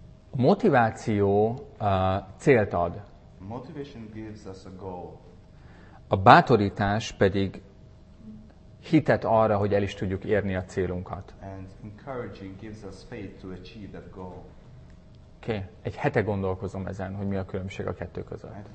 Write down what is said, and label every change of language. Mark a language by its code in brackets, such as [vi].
[hu] A motiváció célt ad. [en] Motivation gives us a goal. [hu] A bátorítás pedig hitet arra, hogy el is tudjuk érni a célunkat. [en] And encouraging gives us faith to achieve that goal. Okay. [hu] Egy hete gondolkozom ezen, hogy mi a különbség a kettő között.